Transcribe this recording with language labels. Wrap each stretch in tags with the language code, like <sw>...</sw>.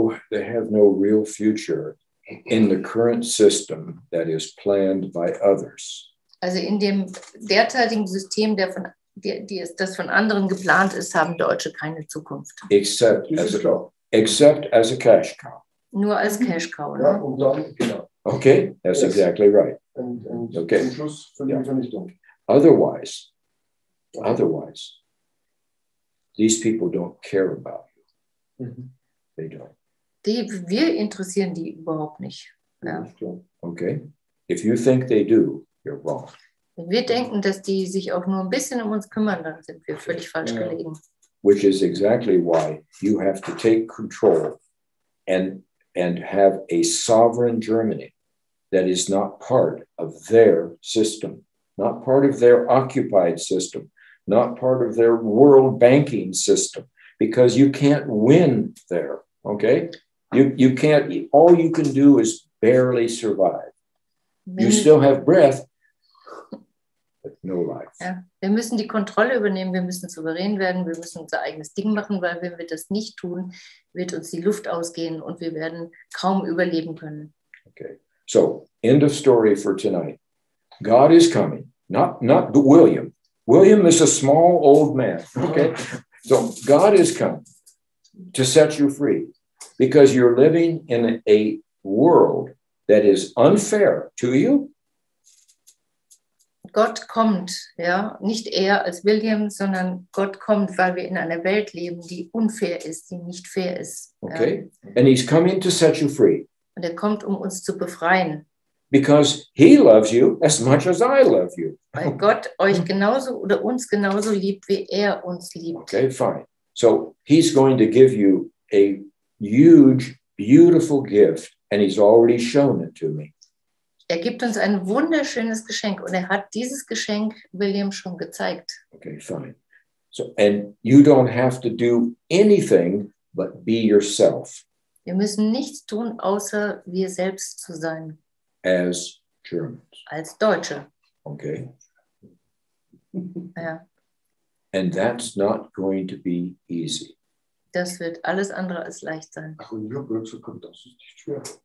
<en>they have no real future in the current system that is planned by others.</en> <de>Also in dem derzeitigen System, das von anderen geplant ist, haben Deutsche keine Zukunft.</de> <en>Except as a cash cow.</en> <de>Nur als Cash Cow, ne? Ja, und dann, genau.</de> <en>Okay, that's exactly right. And okay.</en> <de>Zum Schluss für die Vernichtung.</de> <en>Otherwise, these people don't care about you. Mm-hmm. they don't.</en> <de>Die, wir interessieren die überhaupt nicht. Ja.</de> <en>Okay. If you think they do, you're wrong.</en> <de>Wenn wir denken, dass die sich auch nur ein bisschen um uns kümmern, dann sind wir völlig falsch gelegen.</de> <en>Which is exactly why you have to take control and have a sovereign Germany that is not part of their system, not part of their occupied system, not part of their world banking system, because you can't win there, okay? You can't, all you can do is barely survive. You still have breath, but no life.</en> <de>Ja, wir müssen die Kontrolle übernehmen, wir müssen souverän werden, wir müssen unser eigenes Ding machen, weil wenn wir das nicht tun, wird uns die Luft ausgehen und wir werden kaum überleben können.</de> <en>Okay, so end of story for tonight. God is coming, not but William. William is a small old man, okay? So God is coming to set you free because you're living in a world that is unfair to you.</en> <de>Gott kommt, ja, nicht er als William, sondern Gott kommt, weil wir in einer Welt leben, die unfair ist, die nicht fair ist.</de> <en>Okay, ja. And he's coming to set you free.</en> <de>Und er kommt, um uns zu befreien.</de> <en>Because he loves you as much as I love you.</en> <de>Weil Gott euch genauso oder uns genauso liebt, wie er uns liebt.</de> <en>Okay, fine. So he's going to give you a huge, beautiful gift, and he's already shown it to me.</en> <de>Er gibt uns ein wunderschönes Geschenk und er hat dieses Geschenk William schon gezeigt.</de> <en>Okay, fine. So, and you don't have to do anything but be yourself.</en> <de>Wir müssen nichts tun, außer wir selbst zu sein.</de> <en>As Germans.</en> <de>Als Deutsche.</de> <en>Okay.</en> <de>Ja.</de> <en>And that's not going to be easy.</en> <de>Das wird alles andere als leicht sein. Ach, und ihr Glück zu kommen, das ist nicht schwer.</de>